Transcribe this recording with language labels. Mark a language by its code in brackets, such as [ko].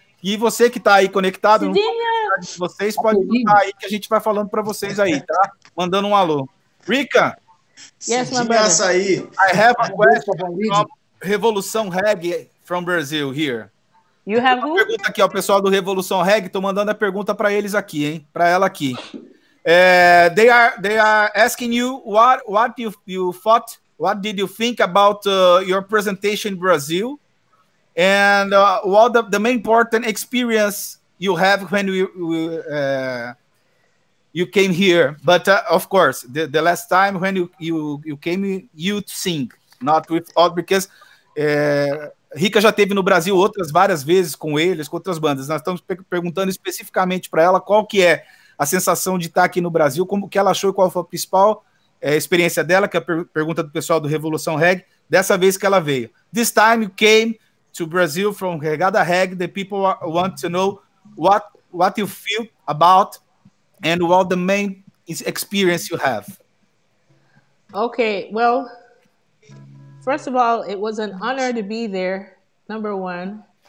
[pt] E você que está aí conectado, vocês podem mandar aí que a gente vai falando para vocês aí, tá? Mandando um alô. Rica! [en] Yes, my brother. I have a question from Revolução Reggae from Brazil here. You have who? [pt] Pergunta aqui, ó, pessoal do Revolução Reggae, estou mandando a pergunta para eles aqui, hein? Para ela aqui. [en] They are asking you what did you think about your presentation in Brazil, and what the main important experience you have when you came here. [pt] But of course, the last time when you came, you to sing, not with all, because Rica já teve no Brasil outras várias vezes com eles, com outras bandas. Nós estamos perguntando especificamente para ela qual que é a sensação de estar aqui no Brasil, como que ela achou e qual foi a principal experiência dela, que é a pergunta do pessoal do Revolução Reggae, dessa vez que ela veio. [en] This time you came to Brazil from Regada Reggae, the people want to know what you feel about and what the main experience you have. Okay, well, first of all, it was an honor to be there, number one.